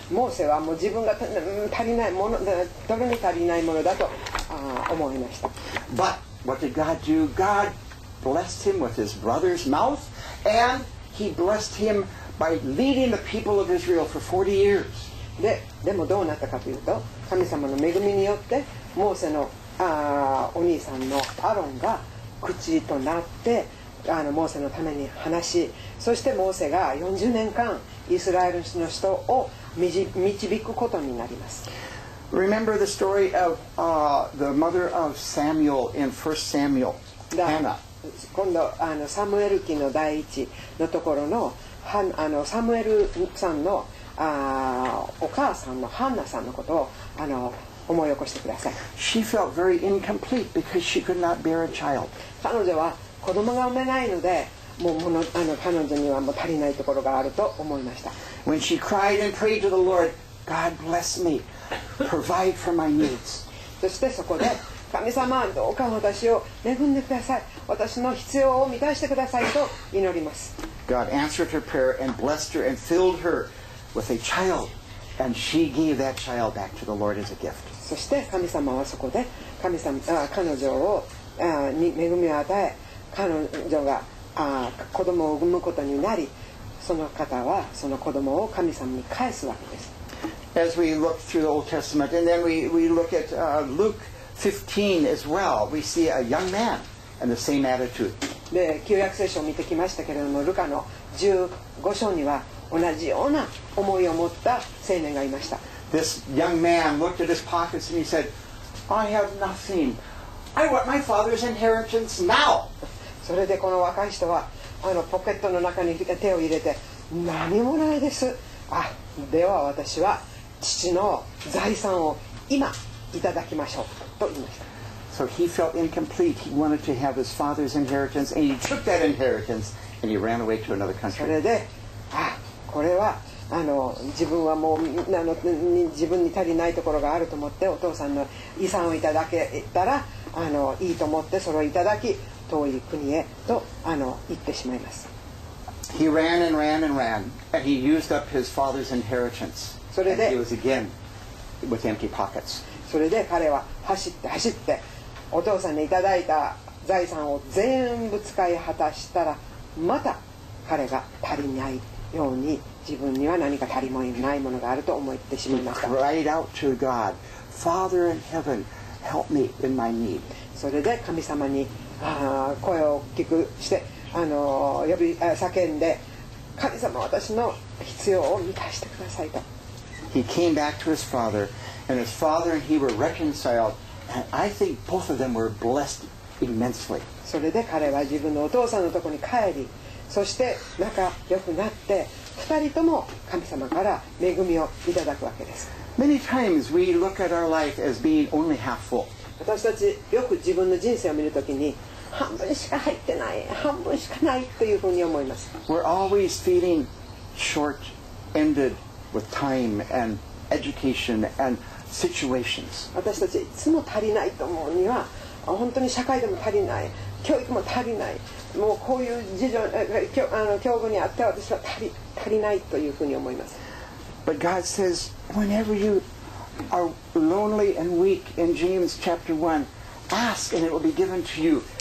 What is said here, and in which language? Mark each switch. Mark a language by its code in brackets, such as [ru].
[ja] モーセはもう自分が足りないもの、どれに足りないものだと思いました。 [en] But what did God do? God blessed him with his brother's mouth, and he blessed him by leading the people of Israel for 40 years. [ja] でもどうなったかというと、神様の恵みによってモーセのお兄さんのアロンが口となってモーセのために話し、そしてモーセが40年間イスラエルの人を導くことになります。 [en] Remember the story of the mother of Samuel in 1 Samuel, Hannah. [ja] 今度サムエル記の第一のところ の, サムエルさんのお母さんのハンナさんのことを思い起こしてください。 [en] She felt very incomplete because she could not bear a child. [ja] 彼女は子供が産めないので、もう彼女にはもう足りないところがあると思いました。 [en] When she cried and prayed to the Lord, God bless me, provide for my needs. [ja] そしてそこで、神様どうか私を恵んでください、私の必要を満たしてくださいと祈ります。 [en] God answered her prayer and blessed her and filled her with a childAnd she gave that child back to the Lord as a gift. [ja] そして神様はそこで彼女をに恵みを与え、彼女が子供を産むことになり、その方はその子供を神様に返すわけです。 [en] As we look through the Old Testament, and then we look at Luke 15 as well, we see a young man and the same attitude. [ja] で、旧約聖書を見てきましたけれども、ルカの15章には同じような思いを持った青年がいました。 [en] This young man looked at his pockets and he said, I have nothing. I want my father's inheritance now. [ja] それでこの若い人はポケットの中に手を入れて、何もないです。あ、では私は父の財産を今いただきましょうと言いました。 [en] So he felt incomplete. He wanted to have his father's inheritance and he took that inheritance and he ran away to another country. [ja] それで、これはあの自分はもうあの自分に足りないところがあると思って、お父さんの遺産をいただけたらあのいいと思って、それをいただき遠い国へとあの行ってしまいます。 [en] He ran and ran and ran, and he used up his father's inheritance. And he was again with empty pockets. [ja] それで彼は走って走って、お父さんにいただいた財産を全部使い果たしたら、また彼が足りないように自分には何か足りないものがあると思ってしまいました。 [en] He cried out to God, Father in heaven, help me in my need. [ja] それで神様に声を聞くして、あの呼び叫んで、神様私の必要を満たしてくださいと。 [en] He came back to his father, and his father and he were reconciled, and I think both of them were blessed immensely. [ja] それで彼は自分のお父さんのところに帰り、そして仲良くなって、二人とも神様から恵みをいただくわけです。 [en] Many times we look at our life as being only half full. [ja] 私たちよく自分の人生を見るときに、半分しか入ってない、半分しかないというふうに思います。 [en] We're always feeling short-ended with time and education and situations. [ja] 私たちいつも足りないと思うには、本当に社会でも足りない、教育も足りない、もうこういう事情、あの境遇にあって私は足りないというふうに思います。 [en] But God says, whenever you are lonely and weak in James chapter 1, ask and it will be given to you.